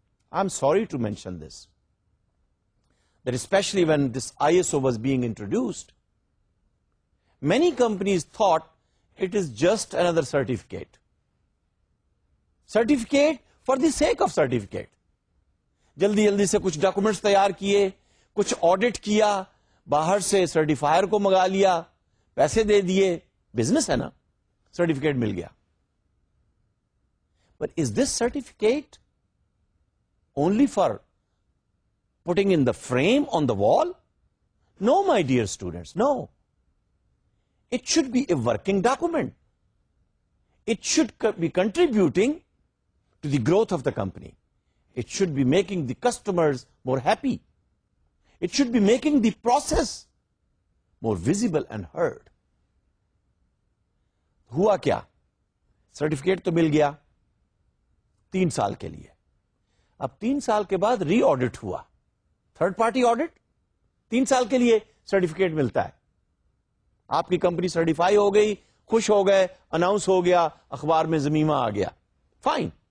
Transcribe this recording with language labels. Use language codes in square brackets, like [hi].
[en] I'm sorry to mention this, that especially when this I S O was being introduced, many companies thought it is just another certificate, certificate for the sake of certificate. [ur] جلدی جلدی سے کچھ documents تیار کیے, کچھ audit کیا, باہر سے سرٹیفائر کو منگا لیا, پیسے دے دیے, بزنس ہے نا, سرٹیفکیٹ مل گیا. [en] But is this certificate only for putting in the frame on the wall? No, my dear students, no. It should be a working document. It should be contributing to the growth of the company. It should be making the customers more happy. It should be making the process more visible and heard. [ur] ہوا کیا, certificate تو مل گیا 3 سال کے لیے, اب 3 سال کے بعد ری آڈٹ ہوا, تھرڈ پارٹی آڈٹ, 3 سال کے لیے سرٹیفکیٹ ملتا ہے, آپ کی کمپنی سرٹیفائی ہو گئی, خوش ہو گئے, اناؤنس ہو گیا, اخبار میں زمیمہ آ گیا, فائن.